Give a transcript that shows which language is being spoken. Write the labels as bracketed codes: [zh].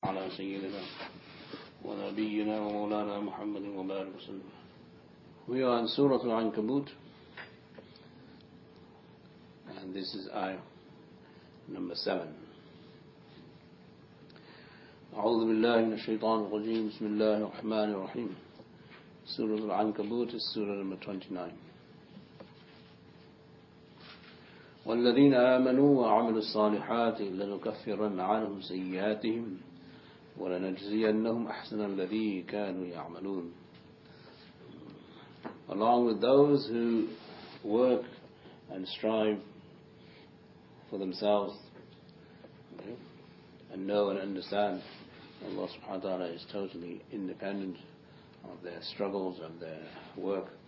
[ar] على سيدنا ونبينا ومولانا محمد وبارك وسلم. [en] We are in Surah Al-Ankabut, and this is ayah number 7. [ar] أعوذ بالله من الشيطان الرجيم بسم الله الرحمن الرحيم. [en] Surah Al-Ankabut is Surah number 29. [ar] والذين آمنوا وعملوا الصالحات لنكفرن عنهم سيئاتهم ولنجزينهم أحسن الذي كانوا يعملون. [en] Along with those who work and strive for themselves, okay, and know and understand Allah subhanahu wa ta'ala is totally independent of their struggles, of their work.